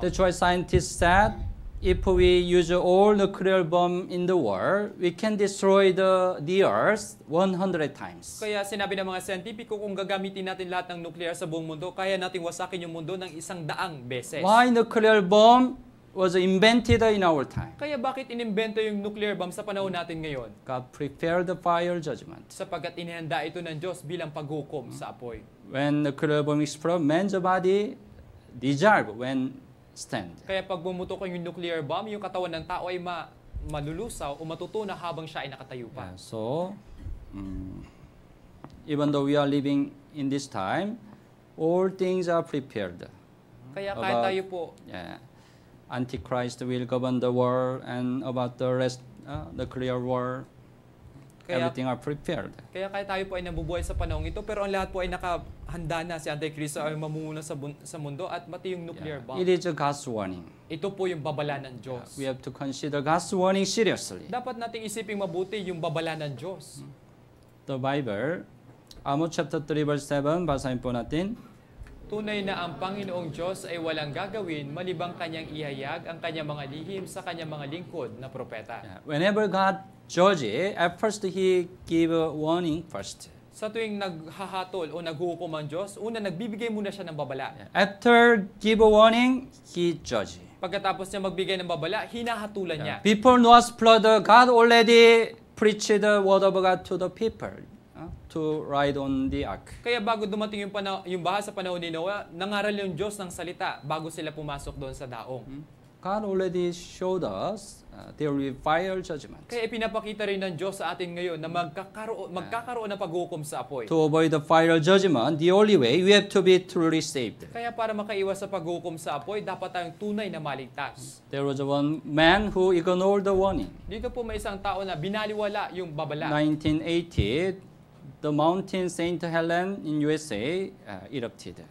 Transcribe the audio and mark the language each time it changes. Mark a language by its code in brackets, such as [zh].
[en] That's why scientists said, if we use all nuclear bomb in the world, we can destroy the Earth 100 times. [tl] Kaya sinabi ng mga siyentipiko, kung gagamitin natin lahat ng nuclear sa buong mundo, kaya nating wasakin yung mundo ng 100 beses. [en] Why nuclear bomb was invented in our time? [tl] Kaya bakit inimbento yung nuclear bomb sa panahon natin ngayon? [en] God prepared the fire judgment. [tl] Sapagkat inihanda ito ng Diyos bilang paghukom sa apoy. [en] When the nuclear bomb explodes, man's body dissolves when stand. [tl] Kaya pag bumutok yung nuclear bomb, yung katawan ng tao ay malulusaw o matutunaw habang siya ay nakatayo pa. [en] Yeah, so, even though we are living in this time, all things are prepared. [tl] Kaya kahit about, tayo po, [en] yeah, Antichrist will govern the world and about the rest, the clear world, kaya, everything are prepared. [tl] Kaya kahit tayo po ay nabubuhay sa panahon ito, pero ang lahat po ay nakahanda na si Antichrist ay mamumuno sa mundo at mati yung nuclear bomb. [en] It is a God's warning. [tl] Ito po yung babala ng Diyos. [en] We have to consider God's warning seriously. [tl] Dapat nating isiping mabuti yung babala ng Diyos. [en] The Bible, Amos chapter 3 verse 7, [tl] basahin po natin. Tunay na ang Panginoong Diyos ay walang gagawin malibang kanyang ihayag ang kanyang mga lihim sa kanyang mga lingkod na propeta. [en] Whenever God judges, at first He gives a warning first. [tl] sa tuwing naghahatol o naghuhukom ang Diyos, una, nagbibigay muna siya ng babala. [en] After give a warning, he judge. [tl] Pagkatapos niya magbigay ng babala, hinahatulan niya. [en] Before Noah's flood, God already preached the word of God to the people to ride on the ark. [tl] Kaya bago dumating yung bahas sa panahon ni Noah, nangaral yung Diyos ng salita bago sila pumasok doon sa daong. [en] God already showed us there will be final judgment. [tl] Kaya ipinapakita rin ng Diyos sa atin ngayon na magkakaroon ng paghukom sa apoy. [en] To avoid the final judgment, the only way, we have to be truly saved. [tl] Kaya para makaiwas sa paghukom sa apoy, dapat tayong tunay na maligtas. [en] There was one man who ignored the warning. [tl] Dito po may isang tao na binaliwala yung babala. [en] 1980, the mountain St. Helens in USA erupted.